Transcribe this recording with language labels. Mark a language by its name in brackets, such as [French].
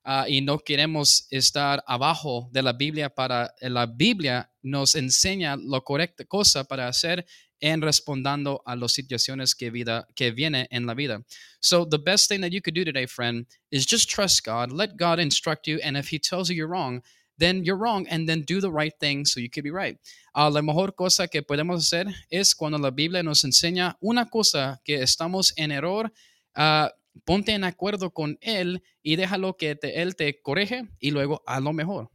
[Spanish] Y no queremos estar abajo de la Biblia para la Biblia nos enseña la correcta cosa para hacer en respondiendo a las situaciones que viene en la vida. [English] So the best thing that you could do today, friend, is just trust God. Let God instruct you. And if he tells you you're wrong, then you're wrong. And then do the right thing so you could be right. [Spanish] La mejor cosa que podemos hacer es cuando la Biblia nos enseña una cosa que estamos en error, ponte en acuerdo con él y déjalo que él te corrige y luego a lo mejor.